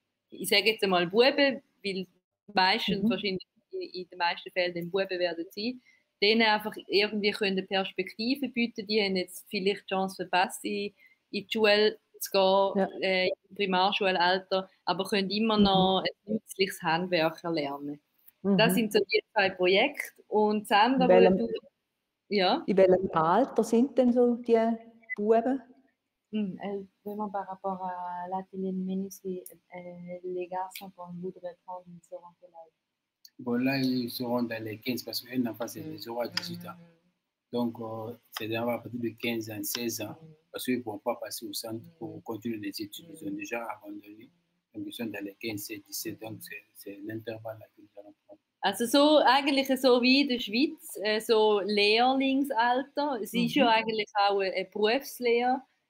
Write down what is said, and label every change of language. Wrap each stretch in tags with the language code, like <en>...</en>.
<de>ich sage jetzt einmal Buben, weil meistens wahrscheinlich in den meisten Fällen den Buben werden sie, denen einfach irgendwie können Perspektive bieten, die haben jetzt vielleicht die Chance verpasst, in die Schule zu gehen, im Primarschulalter, aber können immer noch ein nützliches Handwerk erlernen. Das sind so die zwei Projekte. Und das andere, in welchem Alter sind denn so die Buben?</de> <fr>Vraiment par rapport à l'atelier de menus, les garçons qu'on voudrait prendre, ils seront quel âge? Bon, là, ils seront dans les 15 parce qu'ils n'ont pas ces 0 à 18 ans. Donc, c'est d'avoir à partir de 15 ans, 16 ans, parce qu'ils ne pourront pas passer au centre pour continuer les études. Ils ont déjà abandonné. Donc, ils sont dans les 15, 16, 17, donc c'est l'intervalle que nous allons prendre.</fr> <de>Also, so, eigentlich so wie in der Schweiz, so Lehrlingsalter, es ist ja eigentlich auch eine Berufslehre.</de>